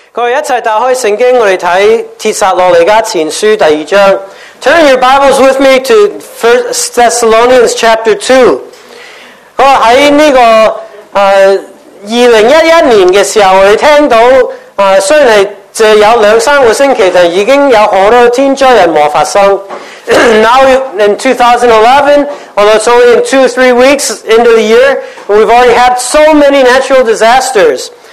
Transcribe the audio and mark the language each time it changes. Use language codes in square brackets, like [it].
[zh] 各位一起打开圣经，我们看帖撒罗尼迦前书第二章。 [en] Turn your Bibles with me to 1 Thessalonians chapter 2. [zh] 在这个2011年的时候，我们听到虽然只有两三个星期，但已经有很多天灾人祸发生。 [en] Now in 2011, although it's only in 2-3 weeks into the year, we've already had so many natural disasters.